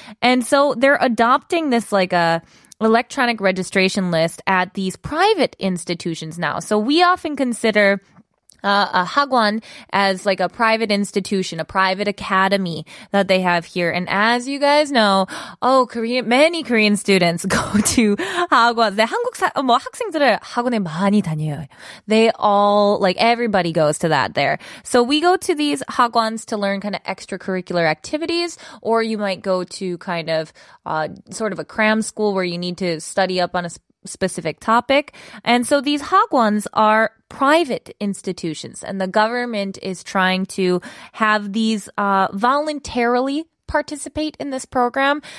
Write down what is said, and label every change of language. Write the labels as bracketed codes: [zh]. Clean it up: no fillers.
[en] And so they're adopting this like a electronic registration list at these private institutions now. So we often consider a hagwon as like a private institution, a private academy that they have here. And as you guys know, many Korean students go to hagwon. [ko] 네, 한국 뭐 학생들은 학원에 많이 다녀요. [en] They all, like everybody goes to that there. So we go to these hagwons to learn kind of extracurricular activities, or you might go to kind of sort of a cram school where you need to study up on a specific topic. And so these hagwons are private institutions, and the government is trying to have these voluntarily participate in this program.